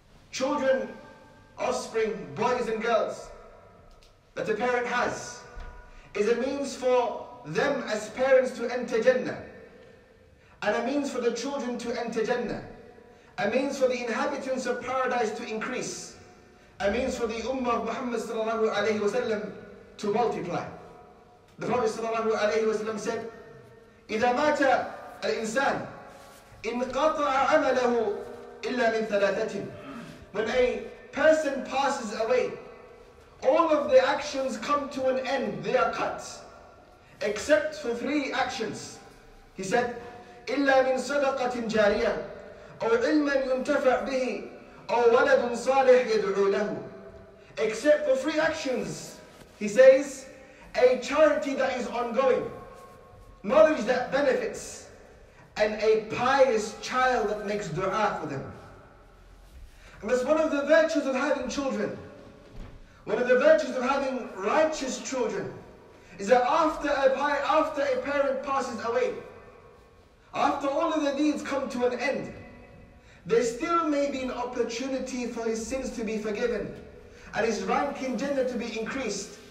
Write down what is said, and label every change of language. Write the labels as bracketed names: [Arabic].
[English] Children, offspring, boys and girls that a parent has is a means for them as parents to enter Jannah, and a means for the children to enter Jannah, a means for the inhabitants of paradise to increase, a means for the Ummah of Muhammad sallallahu alayhi wa sallam to multiply. The Prophet sallallahu alayhi wa sallam said, [Arabic] إِذَا مَاتَ الْإِنسَانِ إِنْ قَطَعَ عَمَلَهُ إِلَّا مِنْ ثَلَاثَةٍ. [English] When a person passes away, all of their actions come to an end. They are cut, except for three actions. He said, [Arabic] إِلَّا مِنْ صَدَقَةٍ جَارِيَةٍ أَوْ عِلْمًا يُنْتَفَعْ بِهِ أَوْ وَلَدٌ صَالِحٍ يَدْعُو لَهُ. [English] Except for three actions, he says, a charity that is ongoing, knowledge that benefits, and a pious child that makes dua for them. And that's one of the virtues of having children. One of the virtues of having righteous children is that after a parent passes away, after all of the deeds come to an end, there still may be an opportunity for his sins to be forgiven and his rank in Jannah to be increased.